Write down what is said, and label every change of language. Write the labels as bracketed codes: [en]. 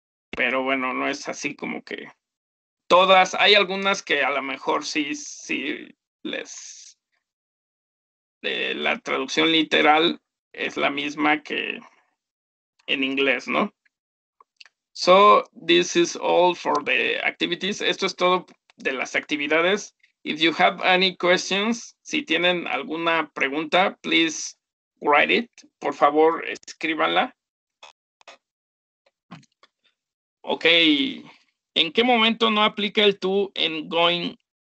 [es] Pero bueno, no es así como que todas. Hay algunas que a lo mejor sí les... la traducción literal es la misma que en inglés, ¿no? [en] So, this is all for the activities. [es] Esto es todo de las actividades. [en] If you have any questions, [es] si tienen alguna pregunta, [en] please write it. [es] Por favor, escríbanla. Ok. ¿En qué momento no aplica el tú en going?